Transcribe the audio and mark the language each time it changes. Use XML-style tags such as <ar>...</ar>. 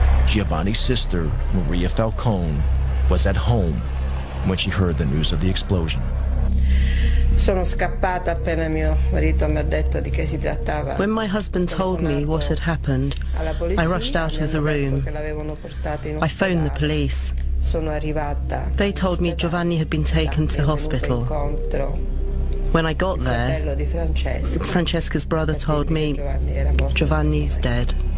<en>Giovanni's sister, Maria Falcone, was at home when she heard the news of the explosion.</en> <it>Sono scappata appena mio marito mi ha detto di che si trattava.</it> <en>When my husband told me what had happened, I rushed out of the room. I phoned the police.</en> <it>Sono arrivata.</it> <en>They told me Giovanni had been taken to hospital. When I got there, Francesca's brother told me Giovanni's dead.</en>